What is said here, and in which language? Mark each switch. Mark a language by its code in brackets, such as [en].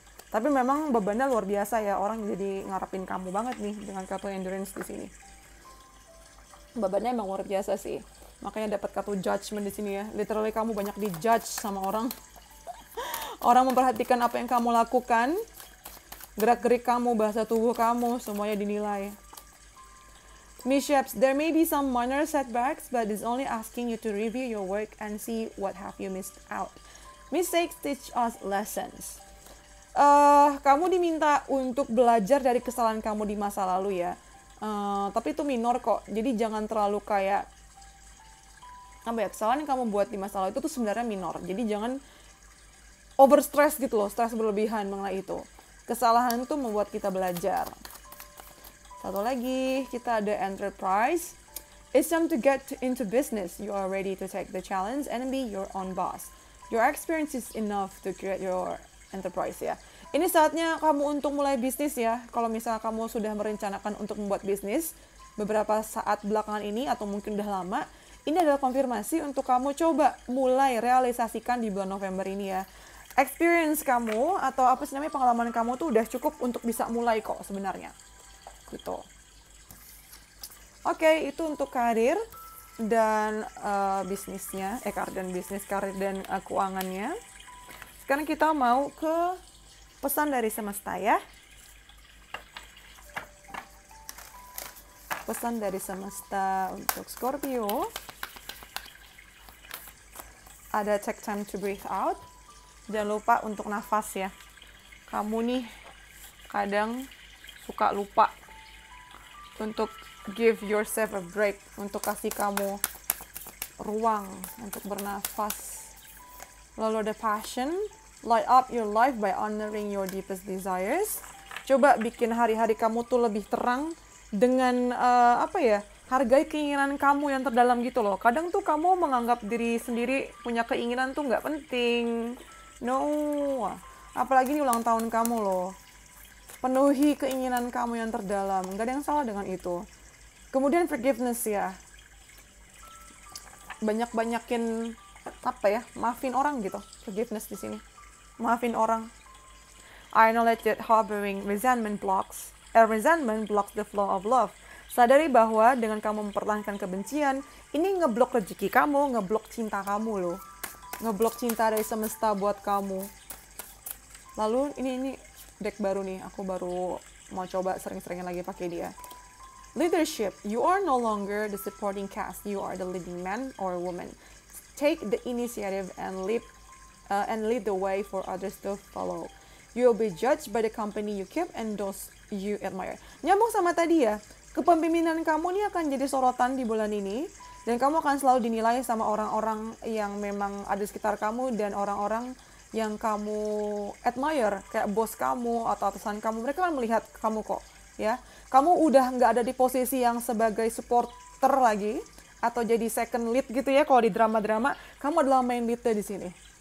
[id] Tapi memang bebannya luar biasa ya, orang jadi ngarepin kamu banget nih dengan kartu endurance di sini. Bebannya emang luar biasa sih. Makanya dapat kartu judgment di sini ya. Literally kamu banyak dijudge sama orang. Orang memperhatikan apa yang kamu lakukan, gerak-gerik kamu, bahasa tubuh kamu, semuanya dinilai. [en] Mishaps, there may be some minor setbacks, but it's only asking you to review your work and see what have you missed out. Mistakes teach us lessons. [id] Kamu diminta untuk belajar dari kesalahan kamu di masa lalu ya. Tapi itu minor kok, jadi jangan terlalu kayak... Apa ya, kesalahan yang kamu buat di masa lalu itu tuh sebenarnya minor. Jadi jangan overstress gitu loh, stress berlebihan mengenai itu. Kesalahan tuh membuat kita belajar. Satu lagi, kita ada enterprise. [en] It's time to get into business. You are ready to take the challenge and be your own boss. Your experience is enough to create your enterprise, ya. [id] Ini saatnya kamu untuk mulai bisnis, ya. Kalau misalnya kamu sudah merencanakan untuk membuat bisnis beberapa saat belakangan ini atau mungkin udah lama, ini adalah konfirmasi untuk kamu coba mulai realisasikan di bulan November ini, ya. Experience kamu atau apa sih namanya pengalaman kamu tuh udah cukup untuk bisa mulai kok sebenarnya. Gitu. Oke, itu untuk karir dan bisnisnya, karir dan keuangannya. Sekarang kita mau ke pesan dari semesta ya. Pesan dari semesta untuk Scorpio. Ada [en] take time to breathe out. [id] Jangan lupa untuk nafas ya. Kamu nih kadang suka lupa untuk [en] give yourself a break, [id] untuk kasih kamu ruang untuk bernafas. Lalu ada [en] passion, light up your life by honoring your deepest desires. [id] Coba bikin hari-hari kamu tuh lebih terang dengan hargai keinginan kamu yang terdalam gitu loh. Kadang tuh kamu menganggap diri sendiri punya keinginan tuh nggak penting. No, apalagi ini ulang tahun kamu loh. Penuhi keinginan kamu yang terdalam. Gak ada yang salah dengan itu. Kemudian forgiveness ya. Banyak-banyakin maafin orang gitu. Forgiveness di sini. Maafin orang. [en] I know that harboring resentment blocks. Resentment blocks the flow of love. [id] Sadari bahwa dengan kamu mempertahankan kebencian, ini ngeblok rezeki kamu, ngeblok cinta kamu loh. Ngeblok cinta dari semesta buat kamu. Lalu ini deck baru nih, aku baru mau coba sering-seringin lagi pakai dia. [en] Leadership, you are no longer the supporting cast, you are the leading man or woman. Take the initiative and lead the way for others to follow. You will be judged by the company you keep and those you admire. [id] Nyambung sama tadi ya, kepemimpinan kamu nih akan jadi sorotan di bulan ini. Dan kamu akan selalu dinilai sama orang-orang yang memang ada di sekitar kamu dan orang-orang yang kamu admire, kayak bos kamu atau atasan kamu, mereka kan melihat kamu kok, ya. Kamu udah nggak ada di posisi yang sebagai supporter lagi, atau jadi second lead gitu ya, kalau di drama-drama, kamu adalah main lead di sini.